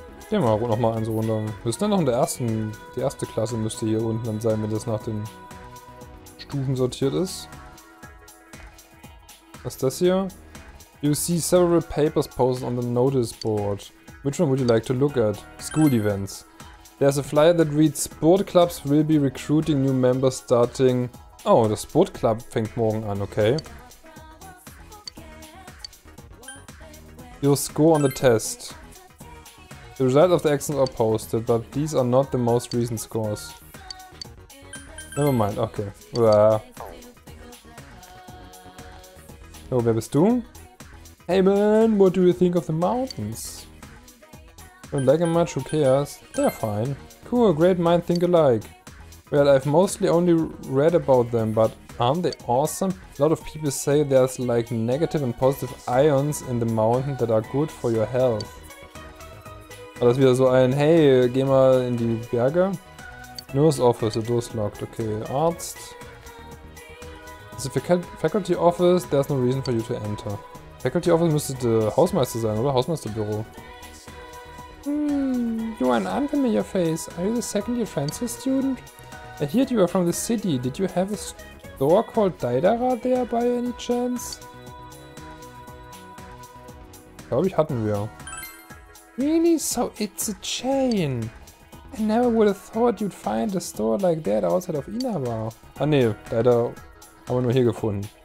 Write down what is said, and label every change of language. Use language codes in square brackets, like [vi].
[de] Gehen wir noch mal eins runter. Wir sind dann noch in der ersten. Die erste Klasse müsste hier unten dann sein, wenn das nach den Stufen sortiert ist. Was ist das hier? [en] You see several papers posted on the notice board. Which one would you like to look at? School events. There's a flyer that reads Sport Clubs will be recruiting new members starting. [de] Oh, der Sport Club fängt morgen an, okay. [en] Your score on the test. The result of the exams are posted, but these are not the most recent scores. Never mind, okay. Uah. [de] So, wer bist du? [en] Hey man, what do you think of the mountains? Don't like them much, who cares? They're fine. Cool, great mind think alike. Well, I've mostly only read about them, but aren't they awesome? A lot of people say there's like negative and positive ions in the mountain that are good for your health. [de] War das wieder so ein, hey, geh mal in die Berge? [en] Nurse Office, the door's locked. Okay, Arzt. It's a faculty office, there's no reason for you to enter. [de] Faculty Office müsste der Hausmeister sein, oder? Hausmeisterbüro. [en] Hmm, you are an unfamiliar face. Are you the second year transfer student? I heard you are from the city. Did you have a store called Daidara there by any chance? [de] Glaube ich, hatten wir. [en] Really? So it's a chain. I never would have thought you'd find a store like that outside of Inaba. [de] Ah ne, leider haben wir nur hier gefunden.